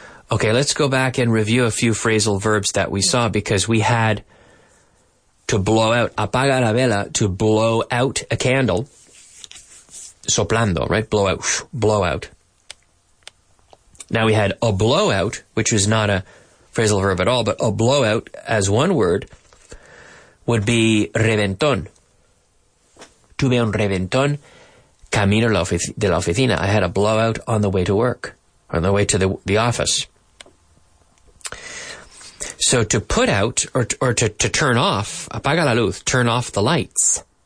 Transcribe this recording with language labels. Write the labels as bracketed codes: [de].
[en] Okay, let's go back and review a few phrasal verbs that we saw, because we had to blow out, [es] apagar la vela, [en] to blow out a candle, [es] soplando, [en] right? Blow out. Now we had a blowout, which was not a phrasal verb at all, but a blowout as one word would be reventón. [es] Tuve un reventón camino de la oficina. [en] I had a blowout on the way to work, on the way to the office. So to put out or to turn off, [es] apaga la luz, [en] turn off the lights.